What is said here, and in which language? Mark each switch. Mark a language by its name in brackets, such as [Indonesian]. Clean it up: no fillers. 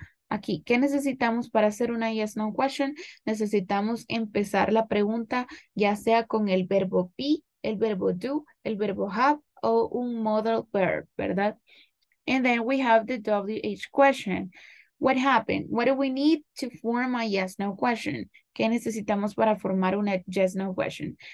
[Spanish] Aquí, ¿qué necesitamos para hacer una yes, no question? Necesitamos empezar la pregunta ya sea con el verbo be, el verbo do, el verbo have o un modal verb, ¿verdad? [English] And then we have the WH question. What happened? What do we need to form a yes, no question? [Spanish] ¿Qué necesitamos para formar una yes, no question?